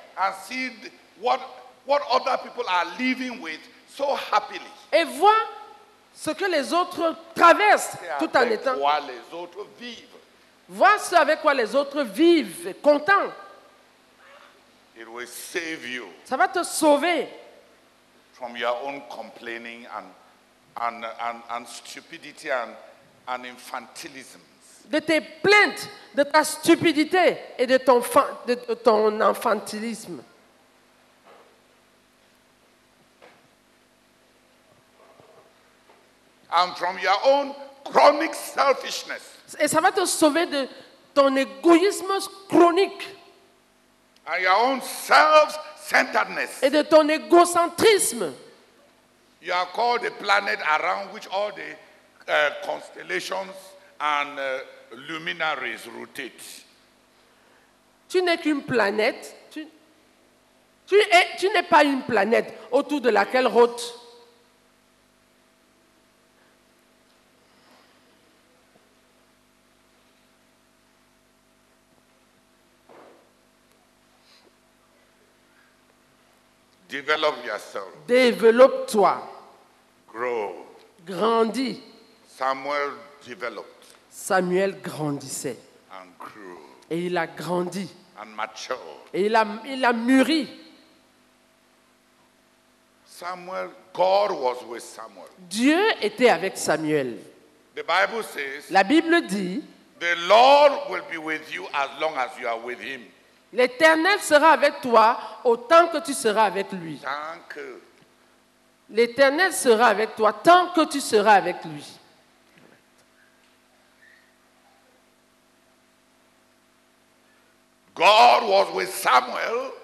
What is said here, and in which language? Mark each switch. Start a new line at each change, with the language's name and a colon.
English: And see what other people are living with so happily.
French: Et vois ce que les autres traversent tout en étant. Avec quoi les autres vivent. Vois ce avec quoi les autres vivent, contents.
English: It will save you.
French: Ça va te sauver.
English: From your own complaining and stupidity and infantilism.
French: De tes plaintes, de ta stupidité et de ton infantilisme.
English: And from your own chronic selfishness.
French: Et ça va te sauver de ton égoïsme chronique.
English: And your own self-centeredness.
French: Et de ton égocentrisme.
English: You are called the planet around which all the constellations and luminaries rotate.
French: Tu n'es qu'une planète. Tu n'es pas une planète autour de laquelle rôde.
English: Develop yourself.
French: Développe-toi.
English: Grow.
French: Grandis.
English: Samuel developed.
French: Samuel grandissait.
English: And grew.
French: Et il a grandi.
English: And matured.
French: Et il a mûri.
English: Samuel, God was with Samuel.
French: Dieu était avec Samuel.
English: The Bible says.
French: La Bible dit.
English: The Lord will be with you as long as you are with him.
French: L'Éternel sera avec toi autant que tu seras avec lui. L'Éternel sera avec toi tant que tu seras avec lui.
English: God was with Samuel.